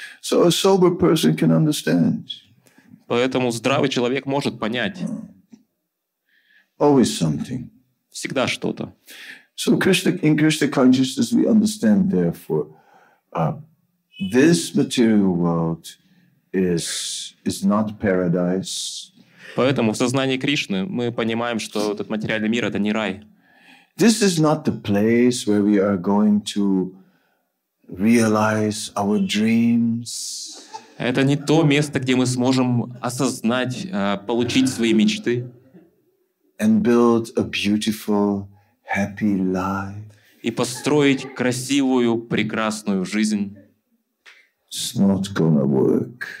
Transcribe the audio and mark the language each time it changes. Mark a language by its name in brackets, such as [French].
[English] So a sober person can understand. [Russian] Поэтому здравый человек может понять. [English] Always something. [Russian] Всегда что-то. [English] So in Krishna consciousness we understand therefore this material world is not paradise. [Russian] Поэтому в сознании Кришны мы понимаем, что этот материальный мир это не рай. [English] This is not the place where we are going to realize our dreams. [Russian] Это не то место, где мы сможем осознать, получить свои мечты. [English] And build a beautiful, happy life. [Russian] И построить красивую, прекрасную жизнь. [English] It's not gonna work.